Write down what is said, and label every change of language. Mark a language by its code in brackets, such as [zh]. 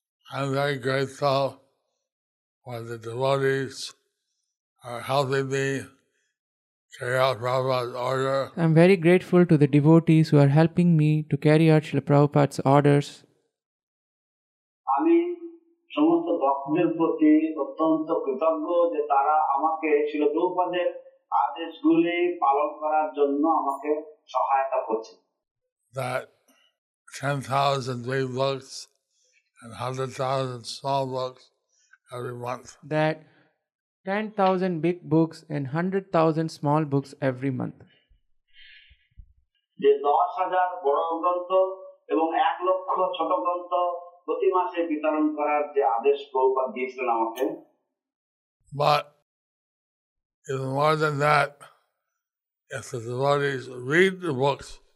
[en] I'm very grateful for the devotees are helping me carry out Prabhupada's order. I'm very grateful to the devotees who are helping me to carry out Srila Prabhupada's orders. [bn] Ami সমস্ত ভক্তদের প্রতি অত্যন্ত কৃতজ্ঞ যে তারা আমাকে শ্রী দ্রৌপদীর আদেশগুলি পালন করার জন্য আমাকে সহায়তা করছে। [en] That 10,000 big books and 100,000 small books every month. That 10,000 big books and 100,000 small books every month. [bn] যে 10,000 বড় গ্রন্থ এবং 1,00,000 ছোট গ্রন্থ প্রতি মাসে বিতরণ করার যে আদেশ প্রভুপাদ দিয়েছিলেন আমাকে। [en] But even more than that, if the devotees read the books,